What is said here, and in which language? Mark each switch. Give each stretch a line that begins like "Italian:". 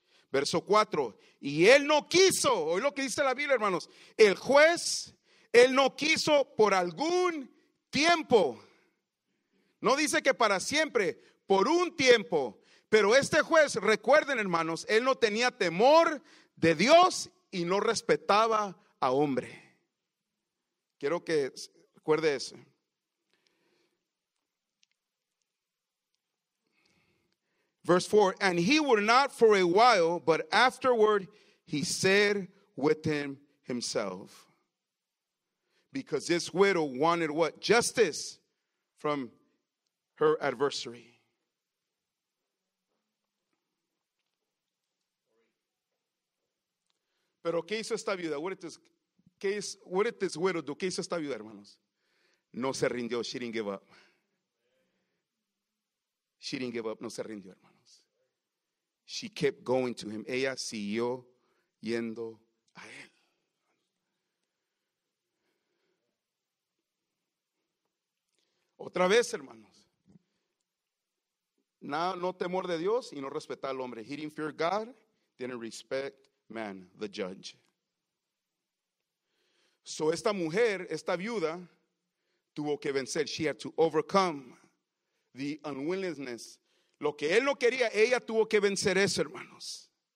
Spanish: Verso 4. Y él no quiso. Oye lo que dice la Biblia, hermanos. El juez, él no quiso por algún tiempo. No dice que para siempre, por un tiempo. Pero este juez, recuerden, hermanos, él no tenía temor de Dios y no respetaba a hombre. Quiero que recuerde eso.
English: Verse 4, and he would not for a while, but afterward he said within himself. Because this widow wanted what? Justice from her adversary.
Spanish: Pero ¿qué hizo esta viuda? ¿Qué hizo esta viuda, hermanos? No se rindió.
English: She didn't give up. She didn't give up.
Spanish: No se rindió, hermano.
English: She kept going to him.
Spanish: Ella siguió yendo a él. Otra vez, hermanos. No temor de Dios y no respetar al hombre.
English: He didn't fear God, didn't respect man, the judge.
Spanish: So esta mujer, esta viuda, tuvo que vencer.
English: She had to overcome the unwillingness.
Spanish: Lo que él no quería, ella tuvo que vencer eso, hermanos.